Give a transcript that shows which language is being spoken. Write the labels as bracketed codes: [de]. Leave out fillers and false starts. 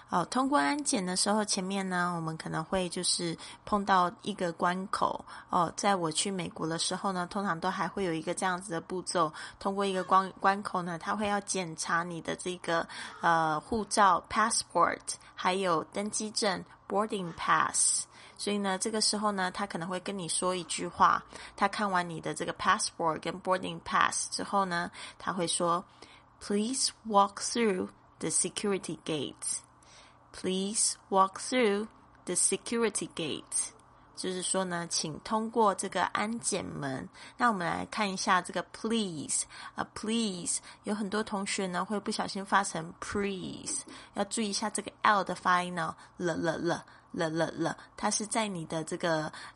[zh] 通关安检的时候，前面呢我们可能会就是碰到一个关口，在我去美国的时候呢，通常都还会有一个这样子的步骤，通过一个 关口呢，他会要检查你的这个护照 passport 还有登机证 boarding pass。所以呢，这个时候呢，他可能会跟你说一句话。他看完你的这个 passport 跟 boarding pass 之后呢，他会说 [en] Please walk through the security gate. Please walk through the security gate. [zh] 就是说呢，请通过这个安检门。那我们来看一下这个 please、please 有很多同学呢会不小心发成 please， 要注意一下这个 L 的发音哦，了了了了了了，它是在你的这个